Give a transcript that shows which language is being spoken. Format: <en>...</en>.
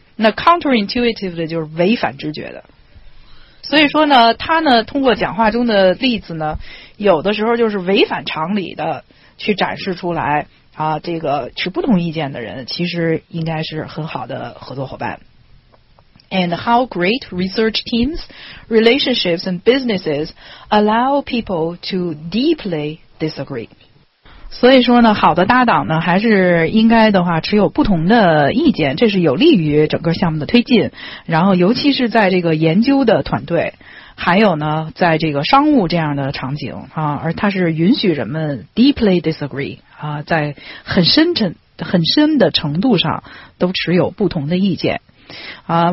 <zh>那 counterintuitive 的就是违反知觉的。所以说呢，他呢通过讲话中的例子呢，有的时候就是违反常理的去展示出来啊，这个持不同意见的人其实应该是很好的合作伙伴。</zh> <en>And how great research teams, relationships and businesses allow people to deeply disagree.</en> <zh>所以说呢，好的搭档呢还是应该的话持有不同的意见，这是有利于整个项目的推进，然后尤其是在这个研究的团队，还有呢在这个商务这样的场景啊，而它是允许人们</zh> <en>deeply disagree</en> <zh>啊，在很深的程度上都持有不同的意见啊。</zh>